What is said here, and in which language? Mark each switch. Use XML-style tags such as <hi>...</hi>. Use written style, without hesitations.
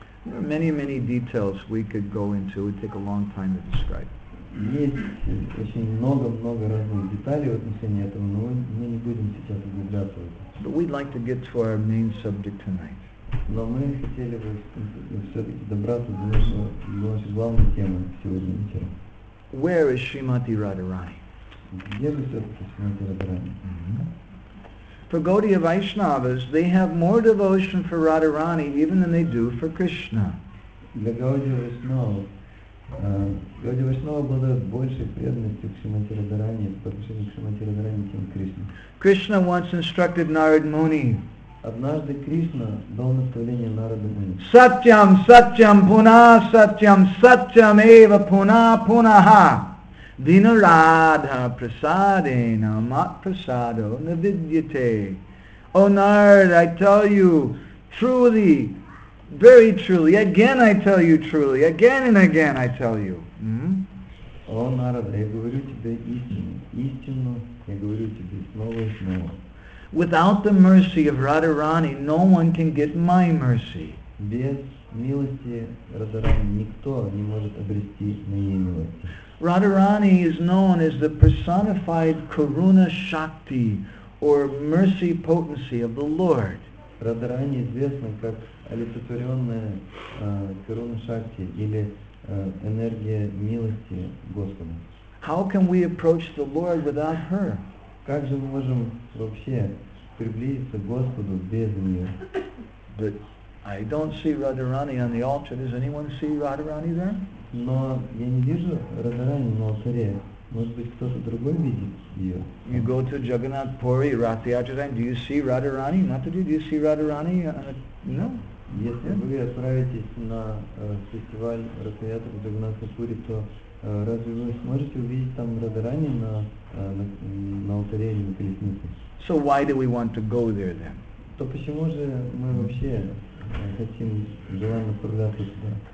<en>There are many details we could go into. It would take a long time to describe.</en> <ru>Есть очень много-много разных деталей в отношении этого, но мы не будем сейчас углубляться в это.</ru> <en>But we'd like to get to our main subject tonight.</en> <ru>Но мы хотели бы все-таки добраться до нашей главной темы сегодня вечером.</ru> <en>Where is Srimati Radharani?</en> <ru>Где же все-таки Srimati Radharani?</ru> <en>For Gaudiya Vaishnavas, they have more devotion for Radharani even than they do for Krishna.</en> <ru>Для Гаудия Вайшнава, Гаудия Вайшнава обладает большей преданностью к Шримати Радхарани, по отношению к Шримати Радхарани, чем к Кришне.</ru> <en>Krishna once instructed Narad Muni.</en> <ru>Однажды Кришна дал наставление Нараду Муни.</ru> <sa>Satyam, satyam, puna, satyam, satyam, eva, puna, punaha. Dinaradha prasadena mat prasado navidyate.</sa> <en>O Narada, I tell you truly, very truly, again I tell you truly, again and again I tell you.</en> <ru>O Narada, я говорю тебе истину, истину, я говорю тебе снова и снова.</ru> <en>Without the mercy of Radharani, no one can get my mercy.</en> <ru>Без милости Радхарани никто не может обрести мою милость.</ru> <en>Radharani is known as the personified Karuna Shakti, or mercy potency of the Lord.</en> <ru>Radharani известна как олицетворенная Karuna Shakti, или энергия милости Господа.</ru> <en>How can we approach the Lord without her?</en> <ru>Как же мы можем вообще приблизиться к Господу без нее?</ru> <en>But I don't see Radharani on the altar. Does anyone see Radharani there?</en> <ru>Но я не вижу Радхарани на алтаре. Может быть, кто-то другой видит ее?</ru> <en>You go to Jagannath Puri, Rathyatra, do you see Radharani? Matadi, do you see Radharani? No.</en> <ru>Если вы отправитесь на фестиваль Рафаэта в Джагнатха Пури, то разве вы сможете увидеть там Радхарани на алтаре или на колеснице?</ru> <en>So why do we want to go there then?</en> <ru>То почему же мы вообще хотим, желаем отправляться туда?</ru>